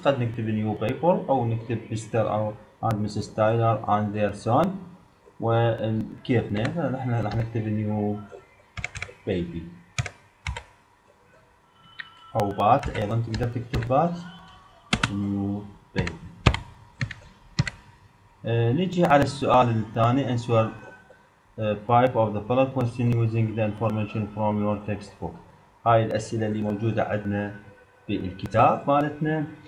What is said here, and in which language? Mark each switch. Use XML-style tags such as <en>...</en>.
<ar>قد نكتب نيو بيبر او نكتب</ar> <en>Mister and missus Tyler and their son.</en> <ar>وكيفنا نحن راح نكتب نيو بيبي او بات. ايضا تقدر تكتب بات نيو بيبي. نجي على السؤال الثاني.</ar> <en>Answer five of the following questions using the information from your textbook.</en> <ar>هاي الأسئلة اللي موجودة عندنا بالكتاب مالتنا.</ar>